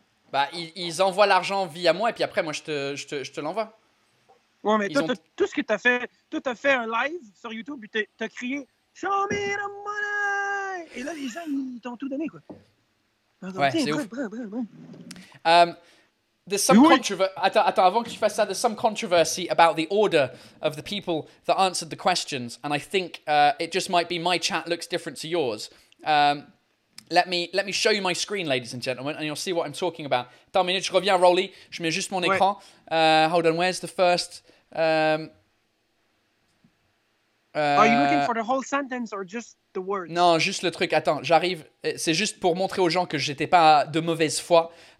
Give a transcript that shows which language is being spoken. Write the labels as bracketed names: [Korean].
[French] Bah, ils envoient l'argent via moi et puis après, moi, je te l'envoie. Ouais, mais tout ce que t'as fait, toi, t'as fait un live sur YouTube et t'as crié « [English] Show me the money !» [French] Et là, les gens, ils t'ont tout donné, quoi. Donc, ouais, c'est ouf. [English] There's some controversy. [French] Attends, avant que tu fasses ça, [English] there's some controversy about the order of the people that answered the questions. And I think it just might be my chat looks different to yours. Let me show you my screen, ladies and gentlemen, and you'll see what I'm talking about. [French] Attends une minute, je reviens, Rolly. Je mets juste mon écran. [English] Hold on, where's the first... Are you looking for the whole sentence or just the words? [French] Non, juste le truc. Attends, j'arrive. C'est juste pour montrer aux gens que j'étais pas de mauvaise foi.